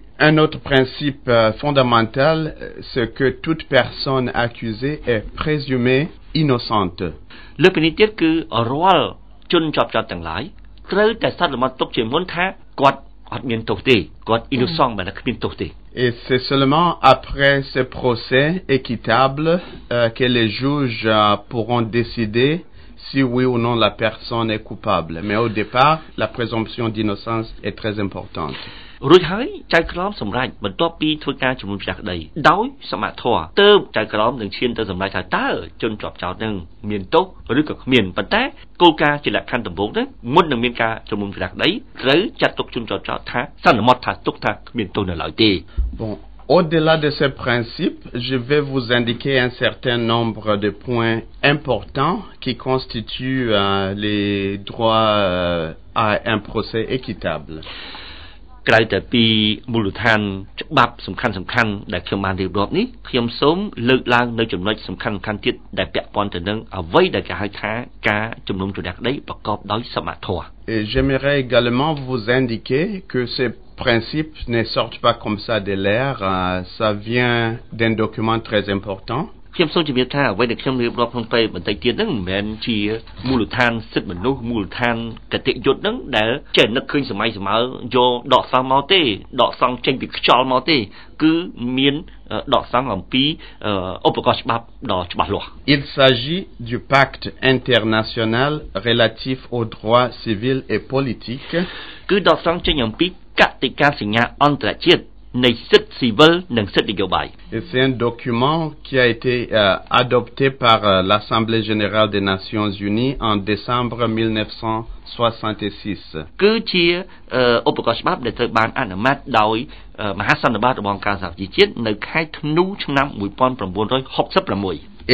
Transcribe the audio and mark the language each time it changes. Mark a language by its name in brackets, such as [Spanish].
[French] un autre principe fondamental c'est que toute personne accusée est présumée innocente [Khmer] លោកពេញទៀតគឺរាល់ជនជាប់ចោទទាំងឡាយត្រូវតែសន្មតទុកជាមុនថាគាត់អត់មានទោសទេគាត់ innocent បែរគ្មានទោសទេ [French] Et c'est seulement après ce procès équitable que les juges pourront décider si oui ou non la personne est coupable. Mais au départ, la présomption d'innocence est très importante. [Khmer] រួចហើយចៅក្រមសម្រេចបន្ទាប់ពីធ្វើការជំនុំជម្រះក្តីដោយសមធម៌ទើបចៅក្រមនឹងឈានទៅសម្រេចថាតើជនជាប់ចោតនឹងមានទោសឬក៏គ្មានប៉ុន្តែគោលការណ៍ជាលក្ខខណ្ឌដំបូងនេះមុននឹងមានការជំនុំជម្រះក្តីត្រូវចាត់ទុកជនជាប់ចោតថាសន្មតថាទុកថាគ្មានទោសនៅឡើយទេ [French] Bon au-delà de ces principes je vais vous indiquer un certain nombre de points importants qui constituent les droits à un procès équitable [Khmer] ក្រៅតែពីមូលដ្ឋានច្បាប់សំខាន់ៗដែលខ្ញុំបានរៀបរាប់នេះខ្ញុំសូមលើកឡើងនៅចំណុចសំខាន់ៗទៀតដែលពាក់ព័ន្ធទៅនឹងអ្វីដែលគេហៅថាការជំនុំជម្រះក្តីប្រកបដោយសមធម៌ [French] J'aimerais également vous indiquer que ces principes ne sortent pas comme ça de l'air, ça vient d'un document très important. [Khmer] ខ្ញុំសូមជម្រាបថាអ្វីដែលខ្ញុំរៀបរាប់ក្នុងពេលបន្តិចទៀតហ្នឹងមិនមែនជាមូលដ្ឋានសិទ្ធិមនុស្សមូលដ្ឋានគតិយុត្តហ្នឹងដែលចេះនឹកឃើញសម័យសម័យយកដកសង់មកទេដកសង់ចេញពីខ្យល់មកទេគឺមានដកសង់អំពីឧបករណ៍ច្បាប់ដ៏ច្បាស់លាស់ [French] Il s'agit du pacte international relatif aux droits civils et politiques [Khmer] គឺដកសង់ចេញអំពីកតិកាសញ្ញាអន្តរជាតិនៃសិទ្ធិស៊ីវិលនិងសិទ្ធិនយោបាយ [French] C'est un document qui a été adopté par l'Assemblée générale des Nations Unies en décembre 1966. [Khmer] គឺជាឧបករណ៍ច្បាប់ដែលត្រូវបានអនុម័តដោយមហាសន្និបាតរបស់អង្គការសហប្រជាជាតិនៅខែធ្នូឆ្នាំ1966.